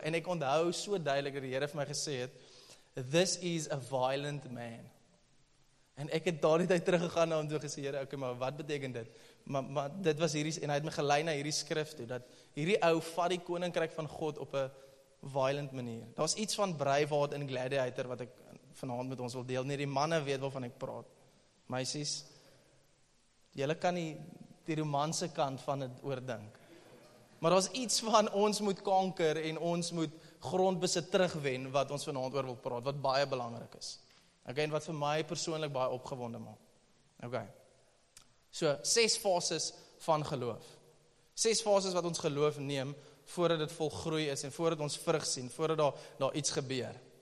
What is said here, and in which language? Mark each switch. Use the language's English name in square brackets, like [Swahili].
[Afrikaans] En ek onthou so duidelik dat die Here vir my gesê het, [English] "This is a violent man." [Afrikaans] En ek het daardie tyd teruggegaan na hom toe gesê, "Here, okay, maar wat beteken dit?" Maar dit was hierdie en hy het my gelei na hierdie skrif toe dat hierdie ou vat die koninkryk van God op 'n violent manier. Daar's iets van Braveheart in Gladiator wat ek vanaand met ons wil deel. Nie die manne weet waarvan ek praat. Meisies, julle kan die romanse kant van dit oordink. Maar daar's iets van ons moet konker en ons moet grondbesit terugwen wat ons vanaand oor wil praat, wat baie belangrik is. Okay, en wat vir my persoonlik baie opgewonde maak. Okay. So, 6 fases van geloof. 6 fases wat ons geloof neem voordat dit volgroei is en voordat ons vrug sien, voordat daar iets gebeur.